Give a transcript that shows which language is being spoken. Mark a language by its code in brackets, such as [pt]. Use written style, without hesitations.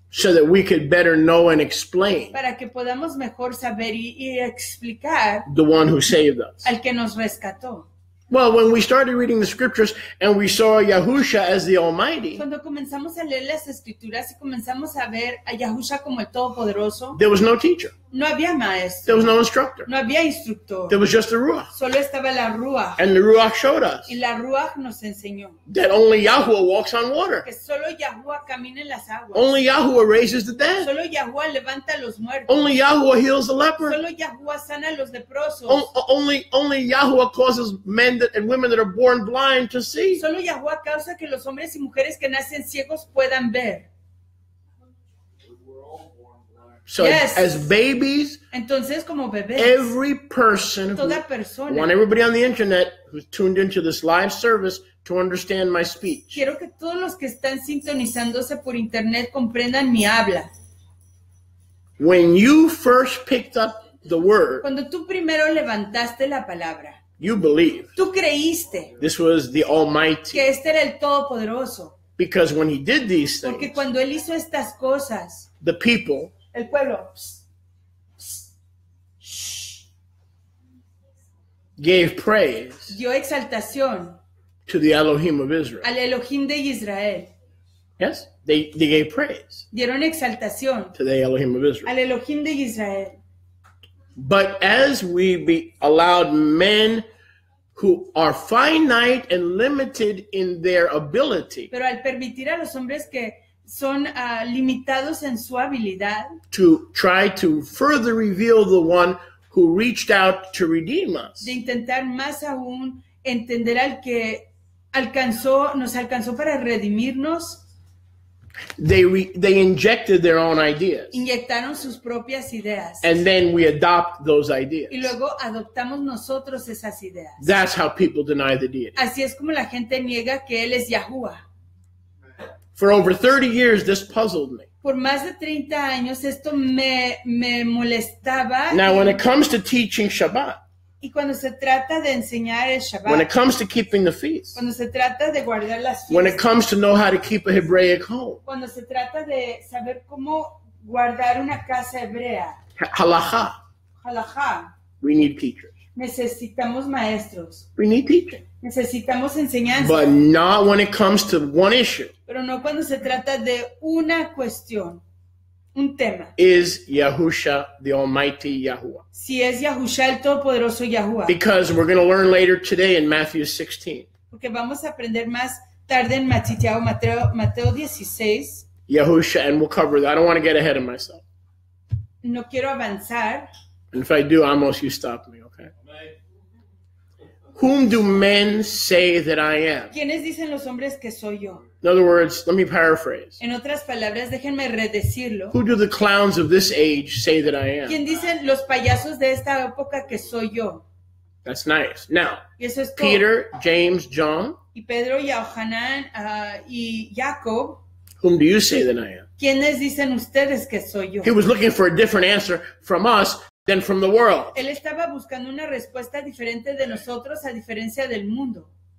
[en] So that we could better know and explain. [es] Para que podamos mejor saber y explicar. [en] The one who saved us. [es] Al que nos rescató. [en] Well, when we started reading the scriptures and we saw Yahusha as the Almighty. [es] Cuando comenzamos a leer las escrituras y comenzamos a ver a Yahusha como el Todopoderoso. [en] There was no teacher. [es] No había maestro. [en] There was no instructor. [es] No había instructor. [en] There was just the Ruach. [es] Solo estaba la Ruach. [en] And the Ruach showed us. [es] Y la Ruach nos enseñó. [en] That only Yahuwah walks on water. [es] Que solo Yahuwah camina en las aguas. [en] Only Yahuwah raises the dead. [es] Solo Yahuwah levanta los muertos. [en] Only Yahuwah heals the leper. [es] Solo Yahuwah sana los leprosos. [en] Only Yahuwah causes men that, and women that are born blind to see. [es] Solo Yahuwah causa que los hombres y mujeres que nacen ciegos puedan ver. [en] So yes. As babies, [es] entonces, como bebés, [en] every person, [es] toda persona, [en] I want everybody on the internet who's tuned into this live service to understand my speech. [es] Quiero que todos los que están sintonizándose por internet comprendan mi habla. [en] When you first picked up the word, [es] cuando tú primero levantaste la palabra, [en] you believed. [es] Tú creíste. [en] This was the Almighty. [es] Que este era el Todopoderoso. [en] Because when he did these things, [es] porque cuando él hizo estas cosas, [en] the people, [es] el pueblo [en] gave praise, [es] dio exaltación, [en] to the Elohim of Israel. [es] Al Elohim de Israel. [en] Yes, they gave praise. [es] Dieron exaltación [en] to the Elohim of Israel. [es] Al Elohim de Israel. [en] But as we be allowed men who are finite and limited in their ability, [es] pero al permitir a los hombres que son limitados en su habilidad, [en] to try to further reveal the one who reached out to redeem us, [es] de intentar más aún entender al que alcanzó, nos alcanzó para redimirnos, [en] they injected their own ideas, [es] inyectaron sus propias ideas, [en] and then we adopt those ideas, [es] y luego adoptamos nosotros esas ideas. [en] That's how people deny the deity. [es] Así es como la gente niega que él es Yahuwah. [en] For over 30 years, this puzzled me. [es] Por más de 30 años, esto me molestaba. [en] Now, when it comes to teaching Shabbat, [es] y cuando se trata de enseñar el Shabbat, [en] when it comes to keeping the feast, [es] cuando se trata de guardar las fiestas, [en] when it comes to know how to keep a Hebraic home, [es] cuando se trata de saber cómo guardar una casa hebrea, [en] halacha, we need teachers. [es] Necesitamos maestros. [en] We need teaching. [es] Necesitamos enseñanza. [en] But not when it comes to one issue. [es] Pero no cuando se trata de una cuestión, un tema. [en] Is Yahusha the Almighty Yahuwah? [es] Si es Yahusha el Todopoderoso Yahuwah. [en] Because we're going to learn later today in Matthew 16. [es] Porque vamos a aprender más tarde en Mateo 16. [en] Yahusha, and we'll cover that. I don't want to get ahead of myself. [es] No quiero avanzar. [en] And if I do, Amos, you stop me, okay? Whom do men say that I am? [es] ¿Quiénes dicen los hombres que soy yo? [en] In other words, let me paraphrase. [es] En otras palabras, déjenme redecirlo. [en] Who do the clowns of this age say that I am? [es] ¿Quién dicen los payasos de esta época que soy yo? [en] That's nice. Now, [es] y eso es [en] Peter, James, John. [es] Y Pedro, y Yohanan, y Jacob. [en] Whom do you say that I am? [es] ¿Quiénes dicen ustedes que soy yo? [en] He was looking for a different answer from us than from the world. [es] Él estaba buscando una respuesta diferente de nosotros a diferencia del mundo.